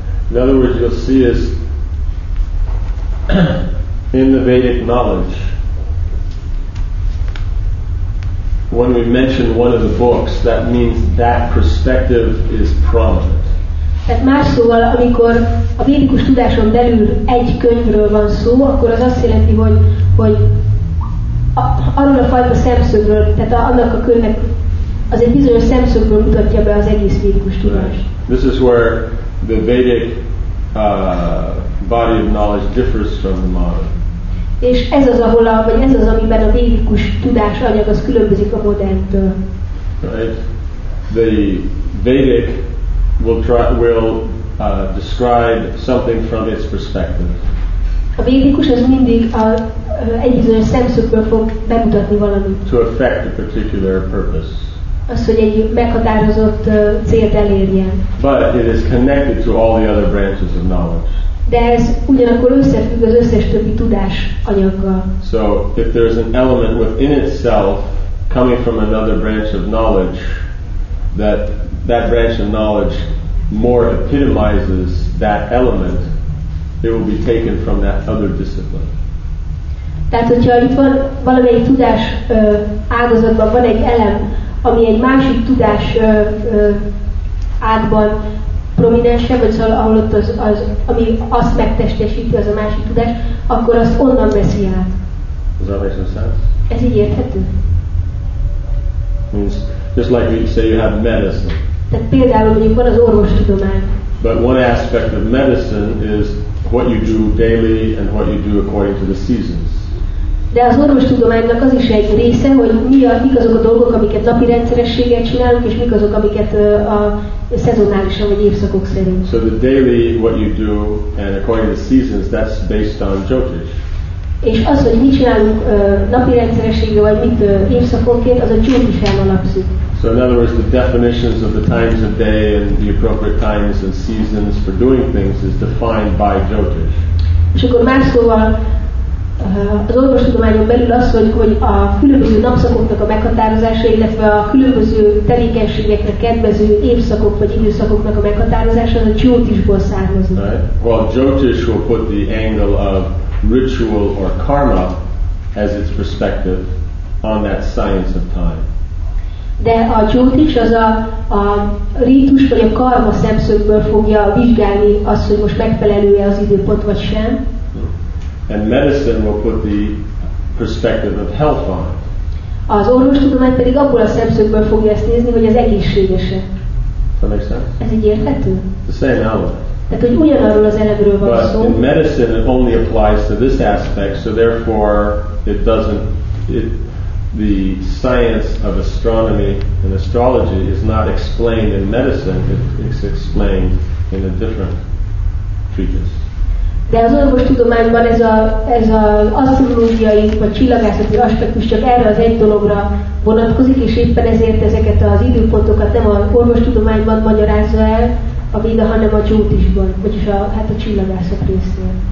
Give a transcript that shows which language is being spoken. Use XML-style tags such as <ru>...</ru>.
<en>In other words, you'll see is in the Vedic knowledge, when we mention one of the books, that means that perspective is prominent.</en> <hu>Tehát más szóval, amikor a védikus tudáson belül egy könyvről van szó, akkor az azt jelenti, hogy, arról a fajta szemszögről, tehát annak a könyvnek az egy bizonyos szemszögről mutatja be az egész védikus tudást.</hu> <en>This is where the Vedic body of knowledge differs from the modern.</en> <hu>És ez az, ahol vagy ez az, amiben a védikus tudás anyag az különbözik a moderntől.</hu> <en>Right. The Vedic will describe something from its perspective.</en> <hu>A védikus az mindig egy bizonyos szemszögből fog bemutatni valamit.</hu> <en>To affect a particular purpose.</en> <hu>Az, hogy egy meghatározott célt elérjen.</hu> <en>But it is connected to all the other branches of knowledge.</en> <hu>De ez ugyanakkor összefügg az összes többi tudás anyaggal.</hu> <en>So if there is an element within itself coming from another branch of knowledge, that branch of knowledge more epitomizes that element, it will be taken from that other discipline.</en> <hu>Tehát hogyha itt van valamelyik tudás ágazatban van egy elem, ami egy másik tudás átban prominensebb, vagy szóval ahol ott az, ami azt megtestesíti, az a másik tudás, akkor azt onnan veszi át. Ez így érthető?</hu> <en>Means, just like we say you have medicine.</en> <hu>Tehát például mondjuk van az orvostudomány.</hu> <en>But one aspect of medicine is what you do daily and what you do according to the seasons.</en> <hu>De az orvostudománynak az is egy része, hogy mik azok a dolgok, amiket napi rendszerességgel csinálunk, és mik azok, amiket a szezonálisan vagy évszakok szerint.</hu> <en>So the daily what you do and according to the seasons, that's based on Jyotish.</en> <hu>És az, hogy mit csinálunk napi rendszerességgel vagy mit évszakonként, az a Jyotishen alapszik.</hu> <en>So in other words, the definitions of the times of day and the appropriate times and seasons for doing things is defined by Jyotish.</en> <hu>És akkor más szóval, az orvostudományon belül az, hogy a különböző napszakoknak a meghatározása, illetve a különböző tevékenységekre kedvező évszakok vagy időszakoknak a meghatározása, az a Jyotishból származik.</hu> <en>Right. Well, Jyotish will put the angle of ritual or karma as its perspective on that science of time.</en> <hu>De a Jyotish az a rítus vagy a karma szemszögből fogja vizsgálni azt, hogy most megfelelő-e az időpont vagy sem.</hu> <en>And medicine will put the perspective of health on it.</en> <hu>Az orvostudomány pedig abból a szemszögből fogja ezt nézni, hogy az egészségese.</hu> <en>That makes sense.</en> <hu>Ez így érthető?</hu> <en>The same element.</en> <hu>Tehát, hogy ugyanarról az elemről van</hu> <en>But</en> <hu>szó.</hu> <en>But in medicine it only applies to this aspect, so therefore it doesn't, the science of astronomy and astrology is not explained in medicine, it's explained in a different treatise.</en> <hu>De az orvostudományban ez az asztrológiai vagy csillagászati aspektus csak erre az egy dologra vonatkozik, és éppen ezért ezeket az időpontokat nem az orvostudományban magyarázza el a Véda, hanem a Jyotishban, vagyis a csillagászat részén.</hu>